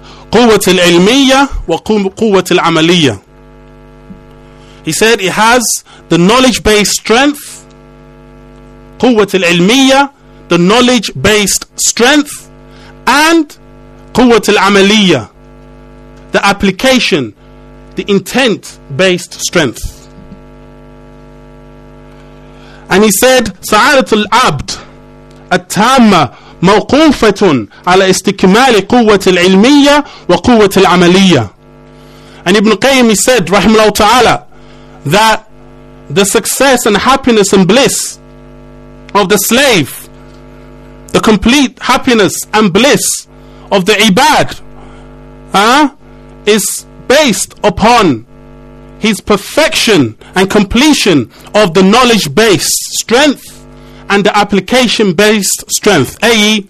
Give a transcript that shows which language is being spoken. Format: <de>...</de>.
<ar>Quwwat al-ilmiyyah wa quwwat al-amaliyyah.</ar> <en>He said it has the knowledge-based strength, quwwat al-ilmiyyah, the knowledge-based strength, and quwwat al-amaliyyah, the application, the intent-based strength. And he said,</en> <ar>سعادة العبد التامة موقوفة على استكمال قوة العلمية وقوة العملية.</ar> <en>And Ibn Qayyim, he said, rahimahullah ta'ala, that the success and happiness and bliss of the slave, the complete happiness and bliss of the ibad, is based upon his perfection and completion of the knowledge-based strength and the application-based strength, i.e.</en>